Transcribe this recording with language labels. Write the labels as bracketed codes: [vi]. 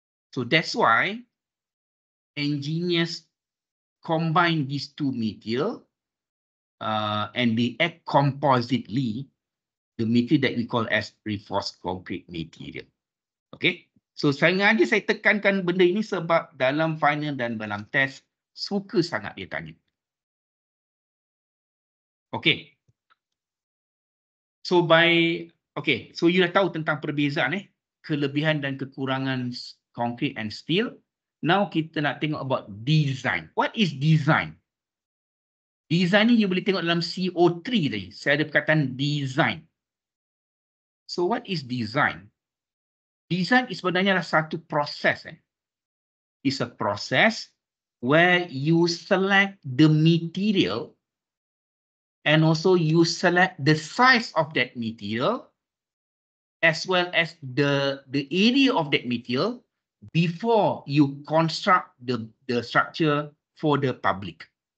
[en] So that's why engineers combine these two material and they act compositely. The material that we call as reinforced concrete material. Okay. [ms] So, sengaja saya tekankan benda ini sebab dalam final dan dalam test, suka sangat dia tanya. Okay. So, so you dah tahu tentang perbezaan eh. Kelebihan dan kekurangan concrete and steel. Now, kita nak tengok about design. [en] What is design? [ms] Design ni you boleh tengok dalam CO3 tadi. Saya ada perkataan design. [en] So what is design? [ms] Design is sebenarnya adalah satu proses. Eh? [en] It's a process where you select the material and also you select the size of that material as well as the area of that material before you construct the structure for the public.